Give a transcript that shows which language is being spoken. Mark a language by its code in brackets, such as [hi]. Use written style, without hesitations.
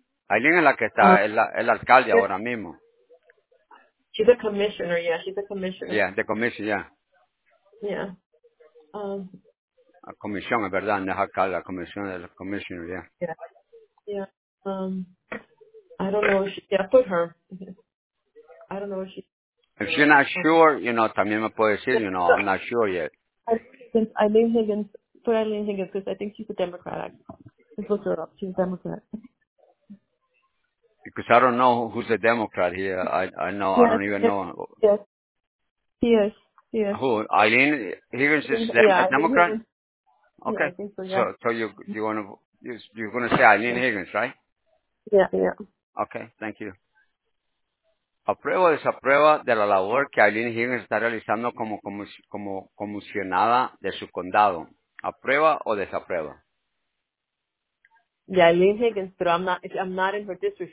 [es] Eileen es la que está, el alcalde ahora mismo. [en] She's a commissioner, yeah, she's a commissioner. Yeah, the commission, yeah. Yeah. [es] La comisión, es verdad, no es alcalde, la comisión es la commissioner, yeah. Yeah, yeah. [en] I don't know if she, yeah, put her. I don't know if she. If she's not sure, you know, [es] también me puede decir, [en] you know, I'm not sure yet. Put Eileen Higgins because I think she's a Democrat. Let's look her up. She's a Democrat. Because I don't know who's a Democrat here. I don't even know. Yes. Yes. Yes. Who? Eileen Higgins is a Democrat? Higgins. Okay. Yeah, I think so, yeah. So you're gonna say Eileen Higgins, right? Yeah. Okay, thank you. [es] ¿Aprueba o desaprueba de la labor que Eileen Higgins está realizando como comisionada de su condado? ¿Aprueba o desaprueba? [en] Yeah, Eileen Higgins, but I'm not in her district.